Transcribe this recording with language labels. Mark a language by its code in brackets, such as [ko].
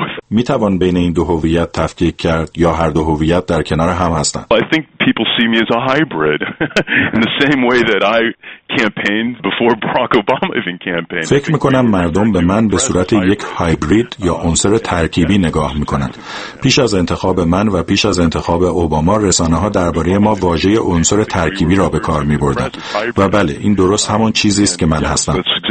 [fa] می توان بین این دو هویت تفکیک کرد یا هر دو هویت در کنار هم هستند؟ [en] I think people see me as a hybrid in the same way that I campaigned before Barack Obama even campaigned. [fa] فکر می کنم مردم به من به صورت یک هایبرید یا عنصر ترکیبی نگاه می کنند. پیش از انتخاب من و پیش از انتخاب اوباما، رسانه‌ها درباره ما واژه عنصر ترکیبی را به کار می بردند. و بله، این درست همان چیزی است که من هستم.